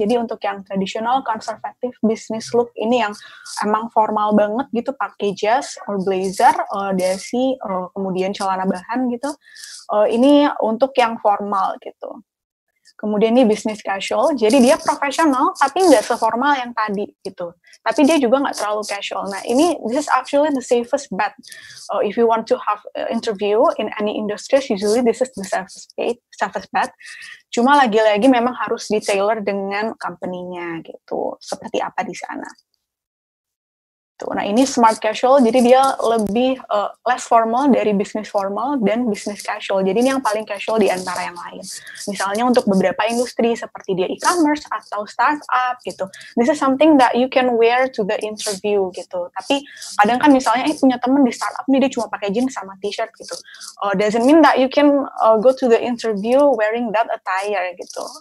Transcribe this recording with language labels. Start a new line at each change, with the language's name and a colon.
Indonesian: Jadi untuk yang traditional conservative business look, ini yang emang formal banget gitu, pakai jas or blazer, dasi, kemudian celana bahan gitu, ini untuk yang formal gitu. Kemudian ini business casual, jadi dia profesional, tapi nggak seformal yang tadi, gitu. Tapi dia juga nggak terlalu casual. Nah, ini,
English: this is actually the safest bet. If you want to have interview in any industries, usually this is the safest bet.
Indonesian: Cuma lagi-lagi memang harus di-tailor dengan company-nya, gitu. Seperti apa di sana. Nah, ini smart casual, jadi dia lebih less formal dari business formal dan business casual. Jadi ini yang paling casual di antara yang lain. Misalnya untuk beberapa industri seperti dia e-commerce atau startup gitu.
English: This is something that you can wear to the interview
Indonesian: gitu. Tapi kadang kan misalnya punya teman di startup nih, dia cuma pakai jeans sama t-shirt gitu.
English: Doesn't mean that you can go to the interview wearing that attire gitu.